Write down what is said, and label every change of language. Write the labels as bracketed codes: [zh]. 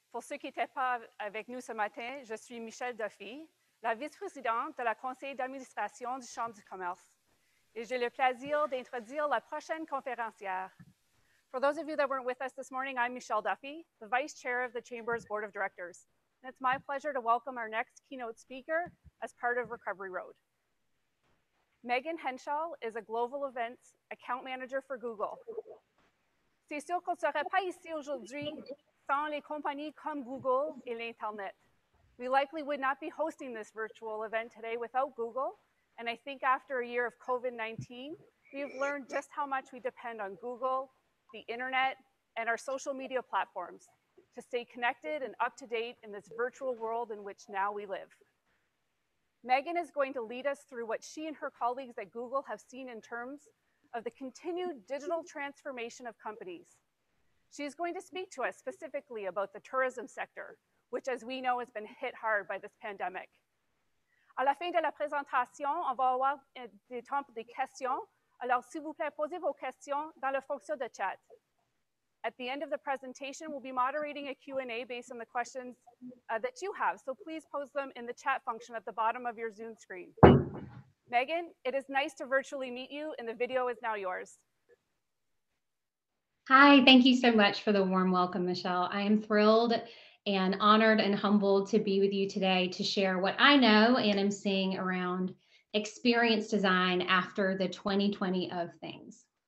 [fr] Pour ceux qui n'étaient pas avec nous ce matin, je suis Michelle Duffy, la vice-présidente de la conseil d'administration du Chambre du commerce. Et j'ai le plaisir d'introduire la prochaine conférencière. [en] For those of you that weren't with us this morning, I'm Michelle Duffy, the vice chair of the Chamber's Board of Directors. And it's my pleasure to welcome our next keynote speaker as part of Recovery Road. Megan Henshall is a global events account manager for Google. [fr] C'est sûr qu'on ne serait pas ici aujourd'hui sans les compagnies comme Google et l'Internet. [en] We likely would not be hosting this virtual event today without Google, and I think after a year of COVID-19, we've learned just how much we depend on Google, the Internet, and our social media platforms to stay connected and up to date in this virtual world in which now we live. Megan is going to lead us through what she and her colleagues at Google have seen in terms of the continued digital transformation of companies. She's going to speak to us specifically about the tourism sector, which as we know has been hit hard by this pandemic. [fr] À la fin de la présentation, on va avoir des temps pour des questions. Alors, s'il vous plaît, posez vos questions dans la fonction de chat. [en] At the end of the presentation, we'll be moderating a Q&A based on the questions that you have. So please pose them in the chat function at the bottom of your Zoom screen. Megan, it is nice to virtually meet you, and the video is now yours. Hi, thank you so much for the warm welcome, Michelle. I am thrilled and honored and humbled to be with you today to share what I know and am seeing around experience design after the 2020 of things.